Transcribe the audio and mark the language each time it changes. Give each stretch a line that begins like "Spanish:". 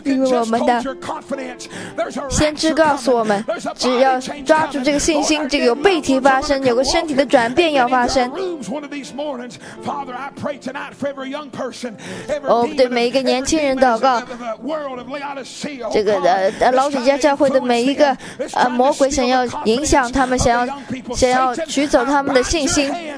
Chinese: 我们的先知告诉我们，只要抓住这个信心，就有背提发生，有个身体的转变要发生。
English: One of these mornings, Father, I pray tonight for every young person, every demon of the world of Laodicea,
Chinese: 这个老底嘉教会的每一个魔鬼想要影响他们，想要取走他们的信心。